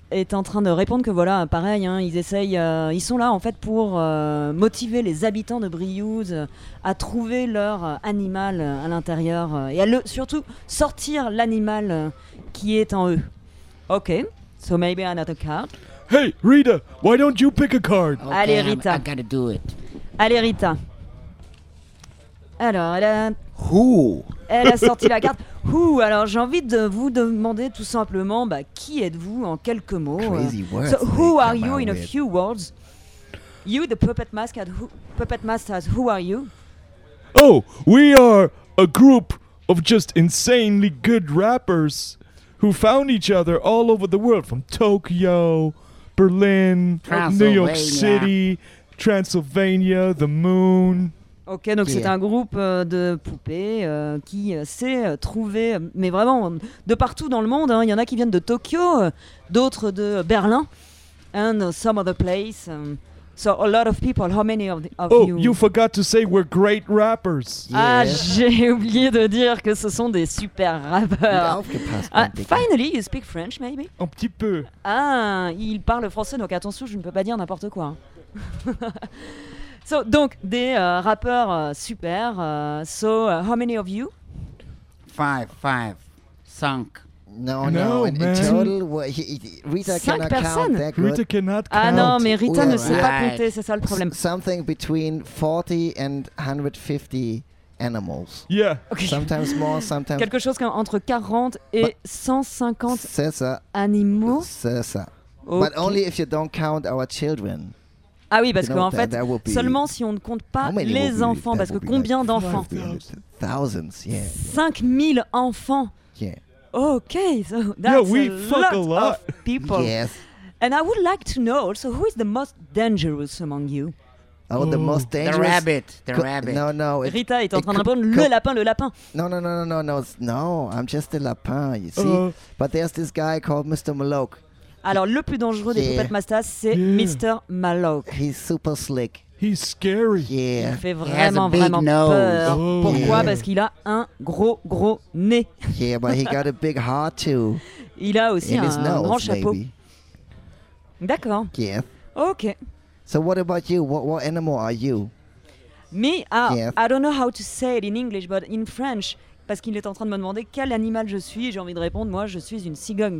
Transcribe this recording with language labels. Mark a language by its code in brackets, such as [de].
[fr] Est en train de répondre que voilà, pareil, hein, ils essayent, ils sont là en fait pour motiver les habitants de Briouze à trouver leur animal à l'intérieur et à le, surtout sortir l'animal qui est en eux. [en] Ok, so maybe another card. Hey Rita, why don't you pick a card? [fr] Okay, allez Rita. [en] I gotta do it. [fr] Allez Rita. Alors, elle a... [en] Who? [fr] Elle a sorti la carte. Who? Alors, j'ai envie de vous demander tout simplement, bah, qui êtes-vous en quelques mots? [en] Crazy words. So, who are you in a few words? You, the puppet master, puppet masters, who are you? Oh, we are a group of just insanely good rappers who found each other all over the world, from Tokyo, Berlin, New York City, Transylvania, the moon... [fr] Ok, donc c'est un groupe de poupées qui s'est trouvé, mais vraiment de partout dans le monde. Hein. Il y en a qui viennent de Tokyo, d'autres de Berlin, [en] and some other place. So a lot of people. How many of you? Oh, you forgot to say we're great rappers. [fr] Ah, j'ai oublié de dire que ce sont des super rappeurs. [en] Finally, you speak French, maybe? [fr] Un petit peu. Ah, il parle français, donc attention, je ne peux pas dire n'importe quoi. [en] So, [fr] donc, des rappeurs super. [en] So, how many of you? Five. Rita cannot count. [fr] Ah non, mais Rita ne sait pas compter, c'est ça le problème. [en] Something between 40 and 150 animals. Yeah. Okay. Sometimes more, sometimes... [fr] Quelque chose comme entre 40 et [en] But [fr] 150 c'est ça. Animaux. C'est ça. Okay. [en] But only if you don't count our children. [fr] Ah oui, parce qu'en fait, seulement si on ne compte pas les enfants, parce que combien d'enfants? 5000 enfants. [en] Okay, so that's a lot of people. Yes. And I would like to know also, who is the most dangerous among you? Oh, the most dangerous? The rabbit. No. [fr] Rita est en train de répondre, le lapin. [en] No, I'm just a lapin, you see? But there's this guy called Mr. Maloke. [fr] Alors, le plus dangereux des Puppet Masters, c'est Mr. Maloke. [en] He's super slick. He's scary. Yeah. [fr] Il fait vraiment, vraiment [en] nose. [fr] Peur. Oh. Pourquoi? Parce qu'il a un gros, gros nez. [en] Yeah, but he got a big heart too. [fr] Il a aussi un grand chapeau. D'accord. [en] Yeah. Ok. So what about you? What animal are you? Me? I don't know how to say it in English, but in French... [fr] Parce qu'il est en train de me demander quel animal je suis. J'ai envie de répondre, moi, je suis une cigogne.